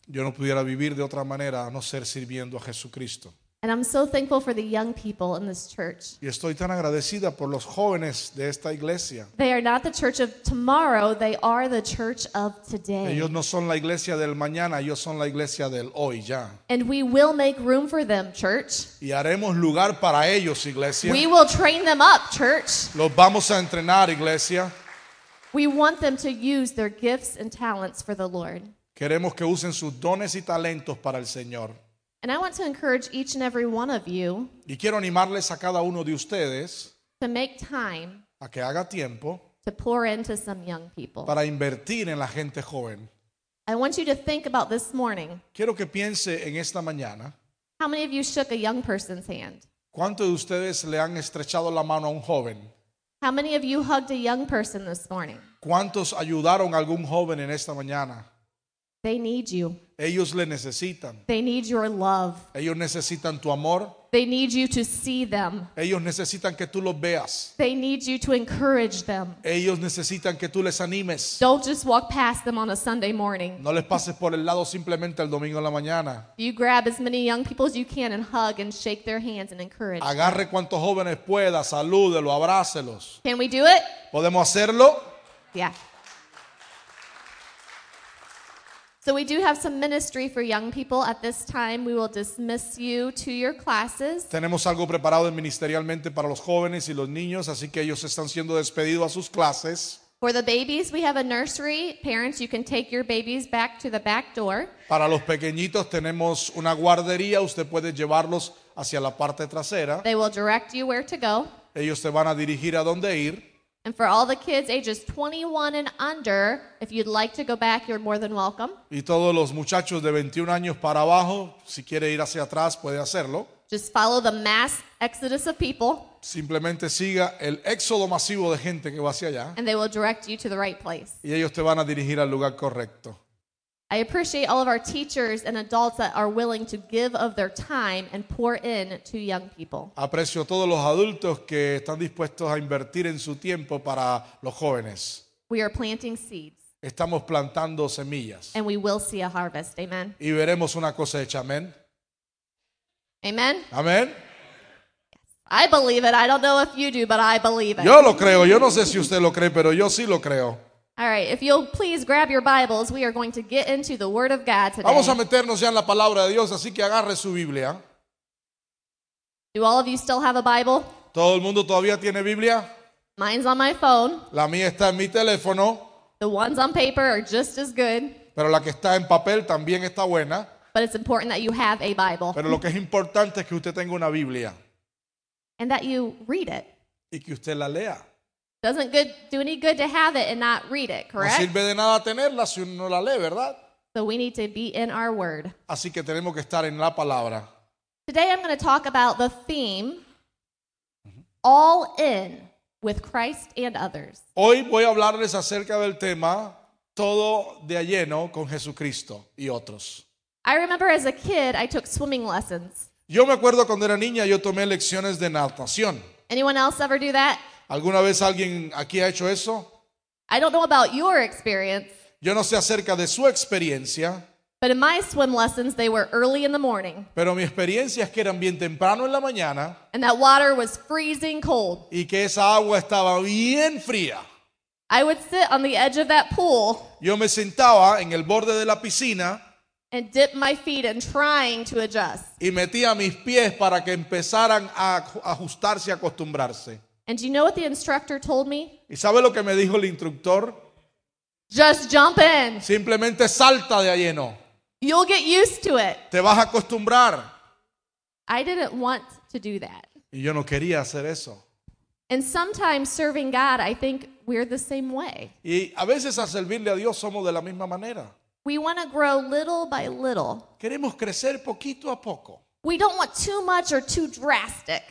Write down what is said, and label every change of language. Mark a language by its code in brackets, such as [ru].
[es] Yo no pudiera vivir de otra manera a no ser sirviendo a Jesucristo. [en] And I'm so thankful for the young people in this church. [es] Y estoy tan agradecida por los jóvenes de esta iglesia. [en] They are not the church of tomorrow, they are the church of today. [es] Ellos no son la iglesia del mañana, ellos son la iglesia del hoy ya. [en] And we will make room for them, church. [es] Y haremos lugar para ellos, iglesia. [en] We will train them up, church. [es] Los vamos a entrenar, iglesia. [en] We want them to use their gifts and talents for the Lord. [es] Queremos que usen sus dones y talentos para el Señor. [en] And I want to encourage each and every one of you. [es] Y quiero animarles a cada uno de ustedes. [en] To make time. [es] A que haga tiempo. [en] To pour into some young people. [es] Para invertir en la gente joven. [en] I want you to think about this morning. [es] Quiero que piense en esta mañana. [en] How many of you shook a young person's hand? [es] ¿Cuántos de ustedes le han estrechado la mano a un joven? [en] How many of you hugged a young person this morning? [es] ¿Cuántos ayudaron a algún joven en esta mañana? [en] They need you. [es] Ellos le necesitan. [en] They need your love. [es] Ellos necesitan tu amor. [en] They need you to see them. [es] Ellos necesitan que tú los veas. [en] They need you to encourage them. [es] Ellos necesitan que tú les animes. [en] Don't just walk past them on a Sunday morning. [es] No les pases por el lado simplemente el domingo en la mañana. [en] You grab as many young people as you can and hug and shake their hands and encourage. [es] Agarre cuantos jóvenes pueda, salúdelo, abrácelos. [en] Can we do it? [es] ¿Podemos hacerlo? [en] Yeah. So we do have some ministry for young people at this time. We will dismiss you to your classes. [es] Tenemos algo preparado ministerialmente para los jóvenes y los niños, así que ellos están siendo despedidos a sus clases. [en] For the babies, we have a nursery. Parents, you can take your babies back to the back door. [es] Para los pequeñitos tenemos una guardería. Usted puede llevarlos hacia la parte trasera. [en] They will direct you where to go. [es] Ellos te van a dirigir a dónde ir. [en] And for all the kids ages 21 and under, if you'd like to go back, you're more than welcome. [es] Y todos los muchachos de 21 años para abajo, si quiere ir hacia atrás, puede hacerlo. [en] Just follow the mass exodus of people. [es] Simplemente siga el éxodo masivo de gente que va hacia allá. [en] And they will direct you to the right place. [es] Y ellos te van a dirigir al lugar correcto. [en] I appreciate all of our teachers and adults that are willing to give of their time and pour in to young people. [es] Aprecio a todos los adultos que están dispuestos a invertir en su tiempo para los jóvenes. [en] We are planting seeds. [es] Estamos plantando semillas. [en] And we will see a harvest. Amen. [es] Y veremos una cosecha. Amen. [en] Amen. Amen. I believe it. I don't know if you do, but I believe it. [es] Yo lo creo. Yo no sé si usted lo cree, pero yo sí lo creo. [en] All right, if you'll please grab your Bibles, we are going to get into the Word of God today. [es] Vamos a meternos ya en la palabra de Dios, así que agarre su Biblia. [en] Do all of you still have a Bible? [es] ¿Todo el mundo todavía tiene Biblia? [en] Mine's on my phone. [es] La mía está en mi teléfono. [en] The ones on paper are just as good. [es] Pero la que está en papel también está buena. [en] But it's important that you have a Bible. [es] Pero lo que es importante es que usted tenga una Biblia. [en] And that you read it. [es] Y que usted la lea. [en] Doesn't good do any good to have it and not read it, correct? [es] No sirve de nada tenerla si uno no la lee, ¿verdad? [en] So we need to be in our word. [es] Así que tenemos que estar en la palabra. [en] Today I'm going to talk about the theme, all in with Christ and others. [es] Hoy voy a hablarles acerca del tema, todo de lleno con Jesucristo y otros. [en] I remember as a kid I took swimming lessons. [es] Yo me acuerdo cuando era niña yo tomé lecciones de natación. [en] Anyone else ever do that? [es] ¿Alguna vez alguien aquí ha hecho eso? [en] I don't know about your experience. [es] Yo no sé acerca de su experiencia. [en] But in my swim lessons, they were early in the morning. [es] Pero mi experiencia es que eran bien temprano en la mañana. [en] And that water was freezing cold. [es] Y que esa agua estaba bien fría. [en] I would sit on the edge of that pool. [es] Yo me sentaba en el borde de la piscina. [en] And dip my feet in trying to adjust. [es] Y metía mis pies para que empezaran a ajustarse, a acostumbrarse. [en] And do you know what the instructor told me? [es] ¿Y sabe lo que me dijo el instructor? [en] Just jump in. [es] Simplemente salta de lleno. [en] You'll get used to it. [es] Te vas a acostumbrar. [en] I didn't want to do that. [es] Y yo no quería hacer eso. [en] And sometimes serving God, I think we're the same way. [es] Y a veces a servirle a Dios somos de la misma manera. [en] We want to grow little by little. [es] Queremos crecer poquito a poco. [en] We don't want too much or too drastic.